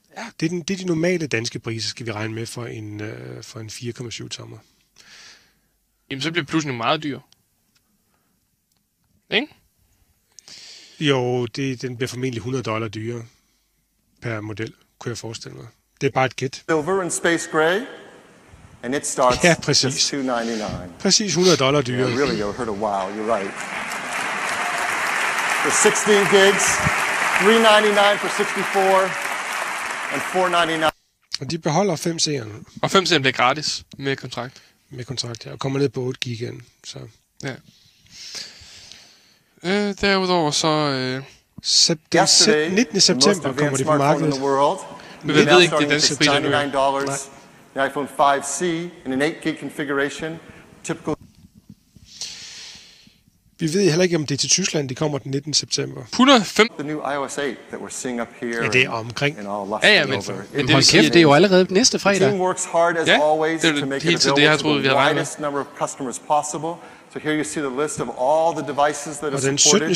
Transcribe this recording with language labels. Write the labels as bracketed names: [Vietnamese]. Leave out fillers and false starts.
[Danish] Ja, det er de normale danske priser, skal vi regne med for en 4,7 tommer. Jamen, så bliver plussen jo meget dyr. Ikke? Jo, den bliver formentlig $100 dyrere per model, kunne jeg forestille mig. Det er bare et gæt. [English] Silver and space gray, and it starts at $299. [Danish] Præcis, $100 dyrere. [English] Yeah, really, you heard a wow, you're right. For 16 gigs, $399 for 64, and $499. [Danish] Og de beholder 5C'erne. Og 5C'erne bliver gratis med kontrakt. Med kontrakt, ja. Og kommer ned på 8 gig igen, så. Ja. Derudover så [English] Yesterday, [Danish] 19. september kommer de på markedet. Men vi ved ikke, det er danske priser. [English] $99, the iPhone 5C in an 8 gig configuration. Typical. [Danish] Vi ved heller ikke, om det er til Tyskland, de kommer den 19. september. 105. [English] The new iOS 8 that we're seeing up here. [Danish] Ja, det er omkring. Det er jo allerede næste fredag. [English] The team works hard as always to make it the widest number of customers possible. So here you see the list of all the devices that are supported. [Danish] Og den 17.